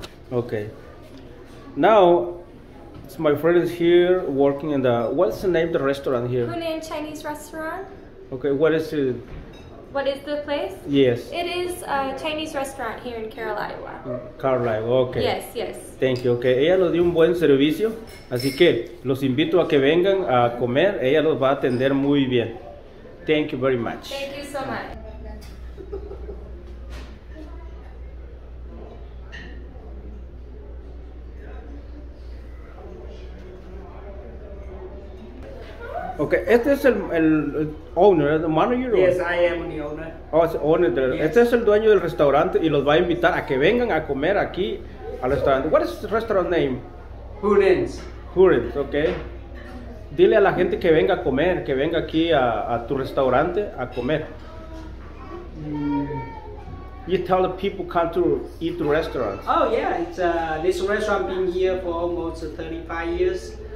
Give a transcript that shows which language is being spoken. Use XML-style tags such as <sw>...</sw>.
<en>Okay, now my friend is here working in the, what's the name of the restaurant here? Hunan Chinese restaurant. Okay, what is it? What is the place? Yes. It is a Chinese restaurant here in Carolina. Carolina, okay. Yes, yes. Thank you. Okay.</en> <es>Ella nos dio un buen servicio, así que los invito a que vengan a comer. Ella los va a atender muy bien.</es> <en>Thank you very much. Thank you so much.</en> <es>Okay, este es el owner,</es> <en>the manager. Yes, I am the owner. Oh, it's the owner. Yes.</en> <es>Este es el dueño del restaurante y los va a invitar a que vengan a comer aquí al restaurante.</es> <en>What is the restaurant name? Hurin's.</en> <es>Hurin's, okay. Dile a la gente que venga a comer, que venga aquí a tu restaurante a comer.</es> <en>You tell the people come to eat the restaurant. Oh yeah, it's this restaurant been here for almost 35 years.</en>